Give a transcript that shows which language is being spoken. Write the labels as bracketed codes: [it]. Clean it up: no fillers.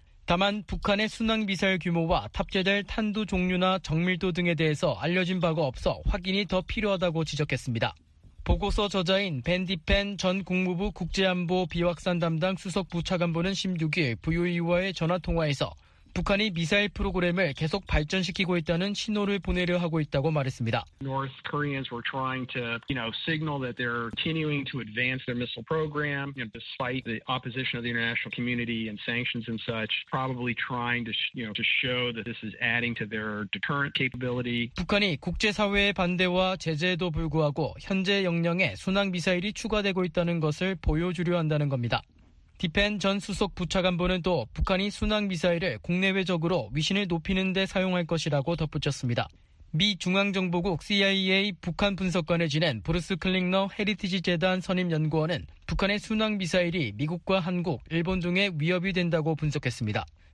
[ko] 다만 북한의 순항미사일 규모와 탑재될 탄두 종류나 정밀도 등에 대해서 알려진 바가 없어 확인이 더 필요하다고 지적했습니다. 보고서 저자인 벤 디펜 전 국무부 국제안보 비확산 담당 수석 부차관보는 16일 VOE와의 전화통화에서 북한이 미사일 프로그램을 계속 발전시키고 있다는 신호를 보내려 하고 있다고 말했습니다. [en] North Koreans were trying to, you know, signal that they're continuing to advance their missile program, you know, despite the opposition of the international community and sanctions and such, probably trying to, you know, to show that this is adding to their deterrent capability. [ko] 북한이 국제사회의 반대와 제재에도 불구하고 현재 역량에 순항 미사일이 추가되고 있다는 것을 보여주려 한다는 겁니다. 디펜 전 수석 부차관보는 또 북한이 순항미사일을 국내외적으로 위신을 높이는 데 사용할 것이라고 덧붙였습니다. 미 중앙정보국 CIA 북한 분석관을 지낸 브루스 클링너 헤리티지 재단 선임연구원은 북한의 순항미사일이 미국과 한국, 일본 등에 위협이 된다고 분석했습니다.